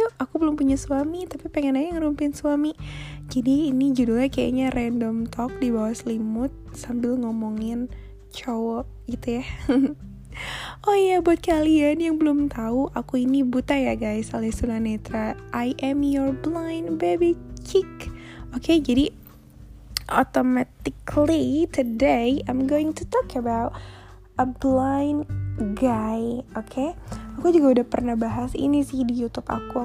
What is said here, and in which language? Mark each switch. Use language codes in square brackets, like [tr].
[id] Yuk, aku belum punya suami tapi pengen aja ngerumpiin suami. Jadi ini judulnya kayaknya random talk di bawah selimut sambil ngomongin cowok gitu ya. Oh iya, buat kalian yang belum tahu, aku ini buta ya guys, alias tunanetra. [en] I am your blind baby chick. Okay, jadi automatically today I'm going to talk about a blind guy. [id] Okay, aku juga udah pernah bahas ini sih di YouTube aku.